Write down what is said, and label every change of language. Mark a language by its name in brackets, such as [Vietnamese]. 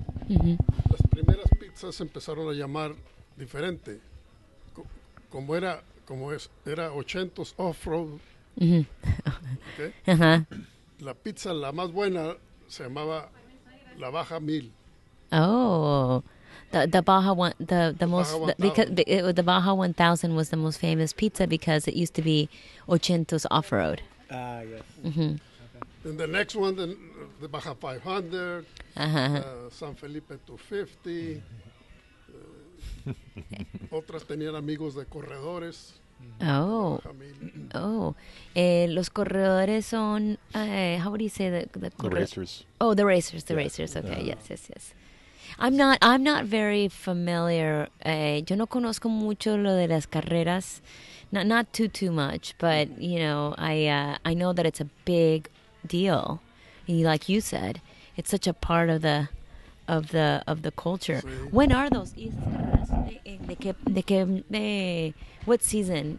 [Spanish] Las primeras pizzas empezaron a llamar diferente, como era. Como es, era 80s off-road. [English] Okay. [Spanish] La pizza, la más buena, se llamaba la Baja Mil. Oh, [English] The Baja one, the most, the Baja 1000 was the most famous pizza because it used to be Ochentos off-road. Yes. Mm-hmm. Then the next one, the Baja 500, San Felipe 250. [Spanish] Otras tenían amigos de corredores. Oh. Los corredores son, [English] how would you say the racers. Oh, the racers, racers. Okay, yes. I'm not very familiar. [Spanish] Yo no conozco mucho lo de las carreras. [English] Not too much, but, you know, I know that it's a big deal. And like you said, it's such a part of the culture. Sí. When are those? What season?